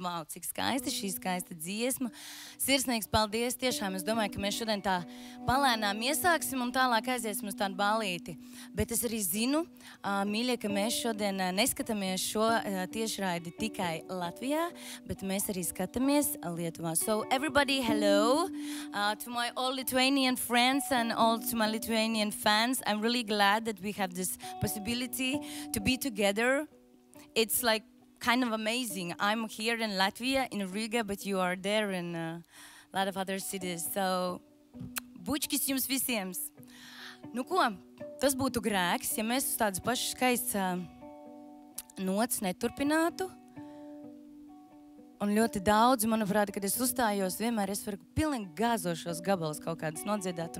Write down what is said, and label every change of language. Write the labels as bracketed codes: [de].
[lv] Vau, cik skaista šī skaista dziesma. Sirsnīgs paldies. Tiešām es domāju, ka mēs šodien tā palēnām iesāksim un tālāk aiziesim uz tādu balīti. Bet es arī zinu, mīļie, ka mēs šodien neskatāmies šo tiešraidi tikai Latvijā, bet mēs arī skatāmies Lietuvā. [en] So everybody, hello to my all Lithuanian friends and all to my Lithuanian fans. I'm really glad that we have this possibility to be together. It's like kind of amazing. I'm here in Latvia, in Riga, but you are there in a lot of other cities. [lv] So, bučkis jums visiems. Nu ko, tas būtu grēks, ja mēs uz tādas pašas skaistas notas neturpinātu. Un ļoti daudz, manuprāt, kad es uzstājos, vienmēr es varu pilnīgi gāzošos gabalus kaut kādas nodziedāt.